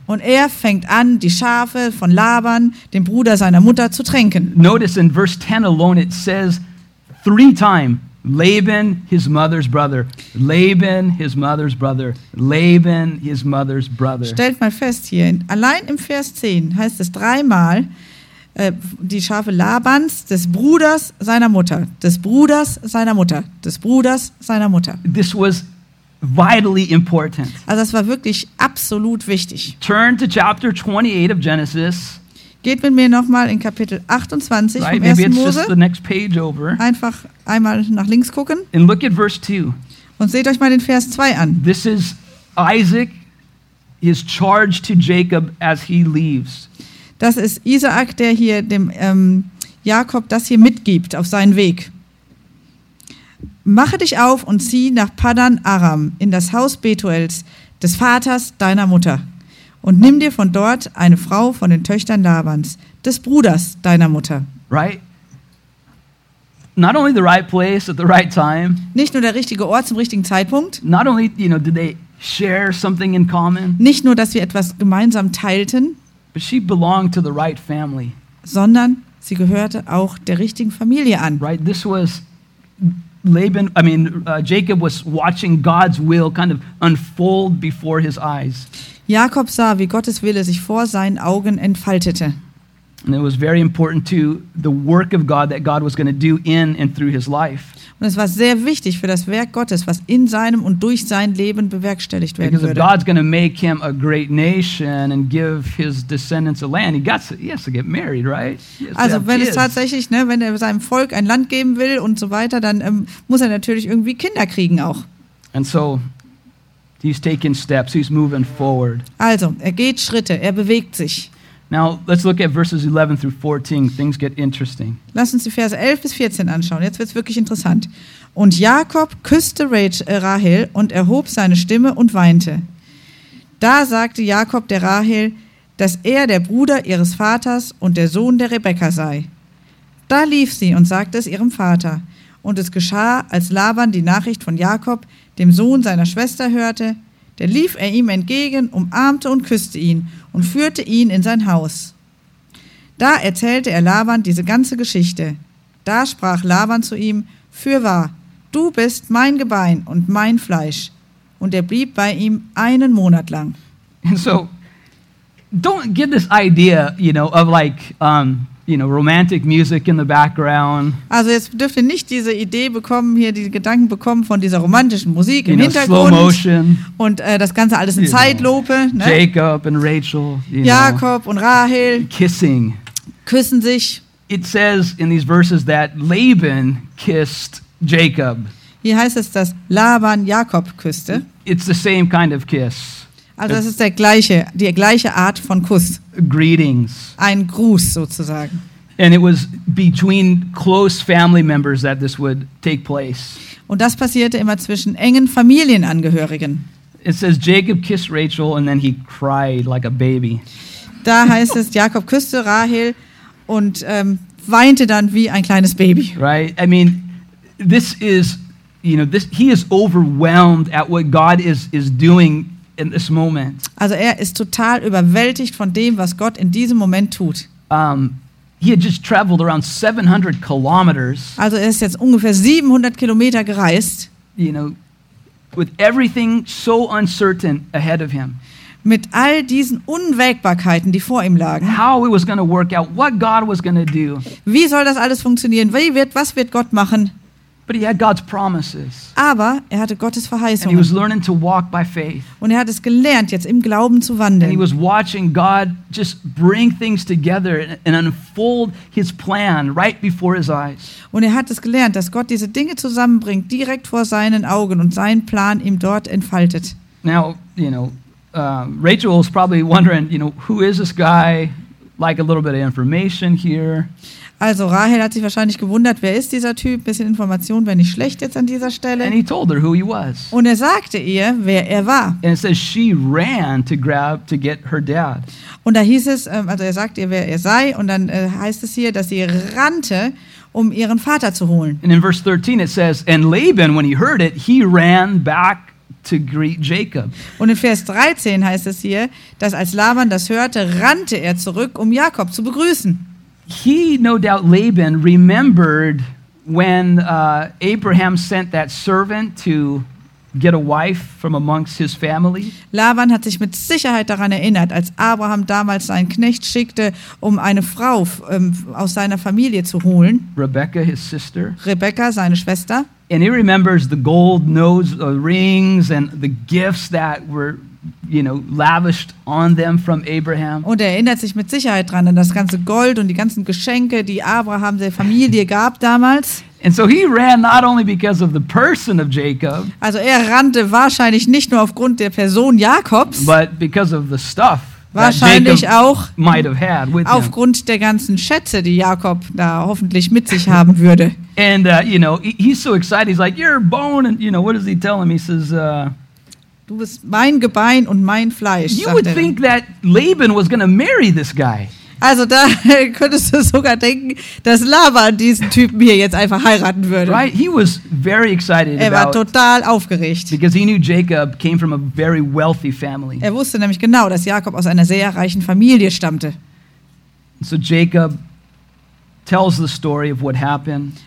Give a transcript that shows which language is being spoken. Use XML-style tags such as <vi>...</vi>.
<de>Und er fängt an, die Schafe von Laban, dem Bruder seiner Mutter, zu tränken.</de> <en>Notice in verse 10 alone it says three times Laban, his mother's brother. Laban, his mother's brother. Laban, his mother's brother.</en> <de>Stellt mal fest hier, allein im Vers 10 heißt es dreimal die Schafe Labans, des Bruders seiner Mutter. Des Bruders seiner Mutter. Des Bruders seiner Mutter.</de> <en>This was vitally important.</en> <de>Also das war wirklich absolut wichtig.</de> <en>Turn to chapter 28 of Genesis.</en> <de>Geht mit mir nochmal in Kapitel 28 vom 1.</de> <en>Maybe it's</en> <de>Mose.</de> <en>Just the next page over.</en> <de>Einfach einmal nach links gucken.</de> <en>And look at verse 2.</en> <de>Und seht euch mal den Vers 2 an.</de> <en>This is Isaac, his charge to Jacob as he leaves.</en> <de>Das ist Isaac, der hier dem Jakob das hier mitgibt auf seinen Weg. Mache dich auf und zieh nach Paddan Aram, in das Haus Betuels, des Vaters deiner Mutter. Und nimm dir von dort eine Frau von den Töchtern Labans, des Bruders deiner Mutter.</de> <en>Right? Not only the right place at the right time.</en> <de>Nicht nur der richtige Ort zum richtigen Zeitpunkt.</de> <en>Not only, you know, did they share something in common.</en> <de>Nicht nur, dass wir etwas gemeinsam teilten.</de> <en>But she belonged to the right family.</en> <de>Sondern sie gehörte auch der richtigen Familie an.</de> <en>Right? This was Laban, I mean, Jacob was watching God's will kind of unfold before his eyes.</en> <de>Jakob sah, wie Gottes Wille sich vor seinen Augen entfaltete.</de> <en>And it was very important to the work of God that God was going to do in and through his life.</en> <de>Und es war sehr wichtig für das Werk Gottes, was in seinem und durch sein Leben bewerkstelligt werden</de> <en>because</en> <de>würde.</de> <en>Because God's going to make him a great nation and give his descendants a land. He has to get married, right?</en> <de>Also wenn kids. Es tatsächlich, ne, wenn er seinem Volk ein Land geben will und so weiter, dann muss er natürlich irgendwie Kinder kriegen auch.</de> <en>And so he's taking steps. He's moving forward.</en> <de>Also er geht Schritte. Er bewegt sich.</de> <en>Now let's look at verses 11 through 14. Things get interesting.</en> <de>Lass uns die Verse 11 bis 14 anschauen. Jetzt wird's wirklich interessant. Und Jakob küsste Rahel und erhob seine Stimme und weinte. Da sagte Jakob der Rahel, dass er der Bruder ihres Vaters und der Sohn der Rebekka sei. Da lief sie und sagte es ihrem Vater. Und es geschah, als Laban die Nachricht von Jakob, dem Sohn seiner Schwester, hörte, da lief er ihm entgegen, umarmte und küsste ihn und führte ihn in sein Haus. Da erzählte er Laban diese ganze Geschichte. Da sprach Laban zu ihm, fürwahr, du bist mein Gebein und mein Fleisch. Und er blieb bei ihm einen Monat lang.</de> <en>And so, don't get this idea, you know, of like, you know, romantic music in the background.</en> <de>Also jetzt dürft ihr nicht diese Idee bekommen, hier die Gedanken bekommen von dieser romantischen Musik</de> <en>you</en> <de>im</de> <en>know,</en> <de>Hintergrund.</de> <en>Slow motion.</en> <de>Und das Ganze alles in</de> <en>you</en> <de>Zeitlupe. Ne?</de> <en>Jacob and Rachel. You</en> <de>Jakob</de> <en>know.</en> <de>Und Rahel.</de> <en>Kissing.</en> <de>Küssen sich.</de> <en>It says in these verses that Laban kissed Jacob.</en> <de>Hier heißt es, dass Laban Jakob küsste.</de> <en>It's the same kind of kiss.</en> <de>Also das ist der gleiche, die gleiche Art von Kuss.</de> <en>Greetings.</en> <de>Ein Gruß sozusagen.</de> <en>And it was between close family members that this would take place.</en> <de>Und das passierte immer zwischen engen Familienangehörigen.</de> <en>It says Jacob kissed Rachel and then he cried like a baby.</en> <de>Da heißt es, Jakob küsste Rahel und weinte dann wie ein kleines Baby.</de> <en>Right? I mean, this is, you know, this he is overwhelmed at what God is doing. In this moment.</en> <de>Also er ist total überwältigt von dem, was Gott in diesem Moment tut.</de> <en>He had just traveled around 700 kilometers.</en> <de>Also er ist jetzt ungefähr 700 Kilometer gereist.</de> <en>You know, with everything so uncertain ahead of him.</en> <de>Mit all diesen Unwägbarkeiten, die vor ihm lagen.</de> <en>How it was going to work out, what God was going to do.</en> <de>Wie soll das alles funktionieren? Was wird Gott machen?</de> <en>But he had God's promises.</en> <de>Aber er hatte Gottes Verheißungen.</de> <en>And he was learning to walk by faith.</en> <de>Und er hat es gelernt, jetzt im Glauben zu wandeln.</de> <en>And he was watching God just bring things together and unfold his plan right before his eyes.</en> <de>Und er hat es gelernt, dass Gott diese Dinge zusammenbringt direkt vor seinen Augen und seinen Plan ihm dort entfaltet.</de> <en>Now, you know, Rachel is probably wondering, you know, who is this guy? Like a little bit of information here.</en> <de>Also Rahel hat sich wahrscheinlich gewundert, wer ist dieser Typ? Bisschen Information wäre nicht schlecht jetzt an dieser Stelle.</de> <en>And he told her who he was.</en> <de>Und er sagte ihr, wer er war.</de> <en>And it says she ran to grab to get her dad.</en> <de>Und da hieß es, also er sagte ihr, wer er sei, und dann heißt es hier, dass sie rannte, um ihren Vater zu holen.</de> <en>And in verse 13 it says, and Laban, when he heard it, he ran back to greet Jacob.</en> <de>Und in Vers 13 heißt es hier, dass als Laban das hörte, rannte er zurück, um Jakob zu begrüßen.</de> <en>He, no doubt, Laban remembered when Abraham sent that servant to get a wife from amongst his family.</en> <de>Laban hat sich mit Sicherheit daran erinnert, als Abraham damals seinen Knecht schickte, um eine Frau aus seiner Familie zu holen.</de> <en>Rebecca, his sister.</en> <de>Rebecca, seine Schwester.</de> <en>And he remembers the gold nose rings and the gifts that were, you know, lavished on them from Abraham.</en> <de>Und er erinnert sich mit Sicherheit dran an das ganze Gold und die ganzen Geschenke, die Abraham der Familie gab damals.</de> <en>And so he ran not only because of the person of Jacob.</en> <de>Also er rannte wahrscheinlich nicht nur aufgrund der Person Jakobs,</de> <en>but because of the stuff.</en> <de>Wahrscheinlich auch</de> <en>might have had with</en> <de>aufgrund</de> <en>him.</en> <de>Der ganzen Schätze, die Jakob da hoffentlich mit sich haben würde.</de> <en>And you know, he's so excited. He's like, "You're bone," and you know, what does he tell him? He says,</en> <de>"Du bist mein Gebein und mein Fleisch."</de> <en>You would think that Laban was going to marry this guy.</en> <de>Also da könntest du sogar denken, dass Laban diesen Typen hier jetzt einfach heiraten würde.</de> <en>Right, he was very excited.</en> <de>Er war total aufgeregt.</de> <en>Because he knew Jacob came from a very wealthy family.</en> <de>Er wusste nämlich genau, dass Jakob aus einer sehr reichen Familie stammte.</de> <en>So Jacob tells the story of what happened.</en>